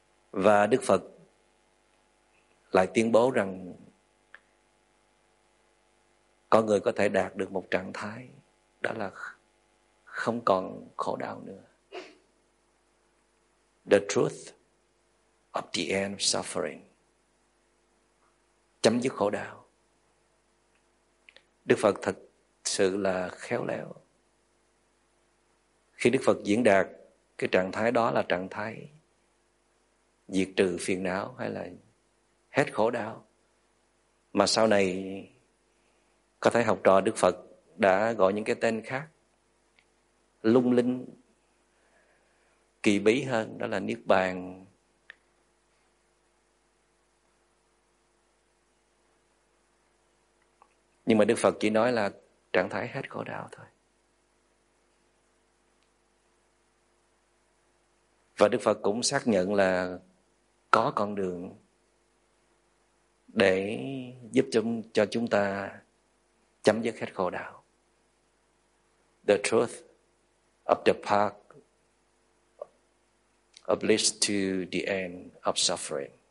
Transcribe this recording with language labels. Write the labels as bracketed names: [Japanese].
[Vietnamese] Và Đức Phật lại tuyên bố rằng con người có thể đạt được một trạng thái, đó là không còn khổ đau nữa. [English] The truth of the end of suffering. [Vietnamese] Chấm dứt khổ đau. Đức Phật thật sự là khéo léo. Khi Đức Phật diễn đạt cái trạng thái đó là trạng thái diệt trừ phiền não hay là hết khổ đau. Mà sau này có thể học trò Đức Phật đã gọi những cái tên khác lung linh, kỳ bí hơn, đó là Niết Bàn, nhưng mà Đức Phật chỉ nói là trạng thái hết khổ đau thôi. Và Đức Phật cũng xác nhận là có con đường để giúp cho chúng ta chấm dứt hết khổ đau. [English] The truth of the path of leads to the end of suffering.